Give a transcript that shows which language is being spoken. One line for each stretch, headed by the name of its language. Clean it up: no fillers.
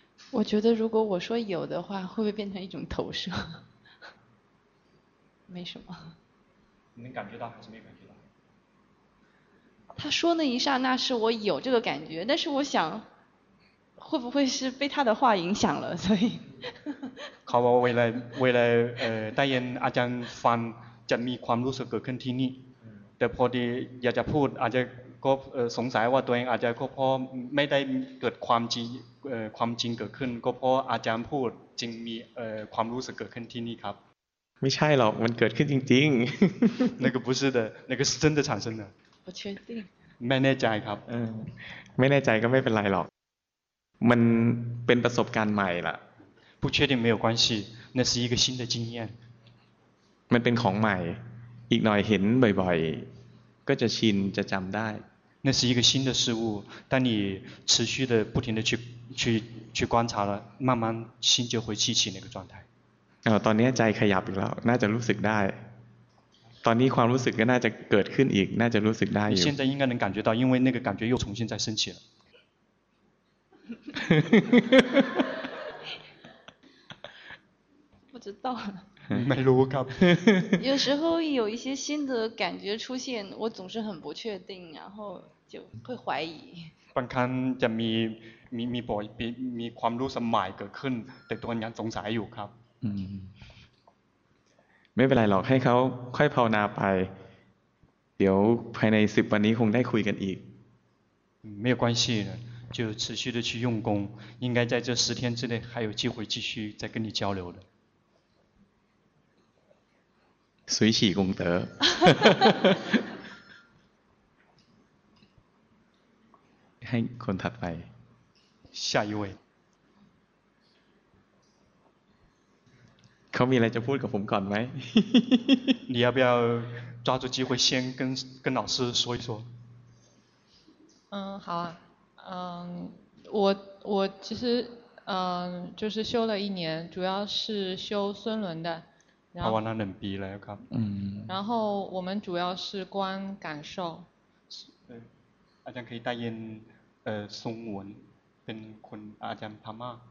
Chinese: 我觉得如果我说有的话，会不会变成一种投射？没什么。你能感觉到还是没感觉到？他说那一刹那是我有这个感觉，但是我想，会不会是被他的话影响了？所以，
Thai: เขาบอกว่าเวลาได้ยินอาจารย์ฟังจะมีความรู้สึกเกิดขึ้นที่นี่แต่พอดีอยากจะพูดอาจจะก็สงสัยว่าตัวเองอาจจะก็เพราะไม่ได้เกิดความจริงเกิดขึ้นก็เพราะอาจารย์พูดจึงมีความรู้สึกเกิดขึ้นที่นี่ครับ ไม่ใช่หรอกมันเกิดขึ้นจริง
Chinese: ๆ那个不是的那个是真的产生的我确定
Thai: ไม่แน่ใจครับ ไม่แน่ใจก็ไม่เป็นไรหรอกมันเป็นประสบการณ์ใหม่ล่ะ
Chinese: 不确定没有关系那是一个新的经验
Thai: มันเป็นของใหม่อีกหน่อยเห็นบ่อยๆก็จะชินจะจำได้
Chinese: 那是一个新的事物当你持续的不停的去观察了慢慢心就会记起那个状态
Thai: ตอนนี้ใจขยับอีกแล้วน่าจะรู้สึกได้ตอนนี้ความรู้สึกก็น่าจะเกิดขึ้นอีกน่าจะรู้สึกได้อยู่
Chinese: 现在应该能感觉到因为那个感觉又重新再升起了不知道
Thai: ไม่รู้ครับ
Chinese: 有时候有一些新的感觉出现我总是很不确定然后就会怀疑
Thai: บางครั้งจะมีบ่อยมีความรู้สึกใหม่เกิดขึ้นแต่ตัวยังสงสัยอยู่ครับ ไม่เป็นไรหรอกให้เขาค่อยภาวนาไปเดี๋ยวภายใน10วันนี้คงได้คุยกันอีก
Chinese: 没有关系就持续的去用功应该在这10天之内还有机会继续再跟你交流的随喜功德
Thai: ให้คนถัดไป
Chinese: 下一位
Thai: เขามีอะไรจะพูดกับผมก่อนไ
Chinese: หม你要不要抓住机会先跟老师说一说好啊我其实就是修了一年主要是修孙轮的好啊那能比了ครับ 然后我们主要是观感受
Thai: อาจารย์เคยได้ยินสงวนเป็นคนอาจารย์พม่า